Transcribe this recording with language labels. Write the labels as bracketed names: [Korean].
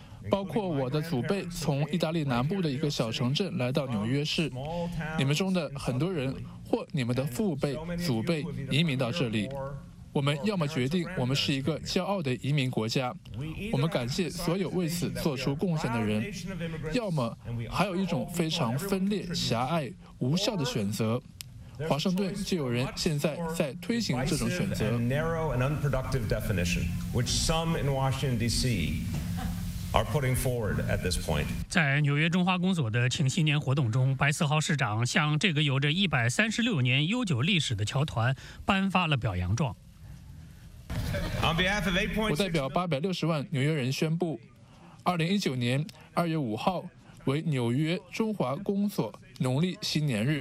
[Chinese] 包括我的祖辈从意大利南部的一个小城镇来到纽约市，你们中的很多人或你们的父辈祖辈移民到这里，我们要么决定我们是一个骄傲的移民国家，我们感谢所有为此做出贡献的人，要么还有一种非常分裂狭隘无效的选择，华盛顿就有人现在在推行这种选择。 [English] narrow and unproductive definition which some in Washington DC are putting forward at this point. [Chinese] 在纽约中华公所的庆新年活动中，白思豪市长向这个有着136年悠久历史的侨团颁发了表扬状。 [English] On behalf of 8.6, [Chinese] 我代表860万纽约人宣布，2019年2月5号为纽约中华公所农历新年日。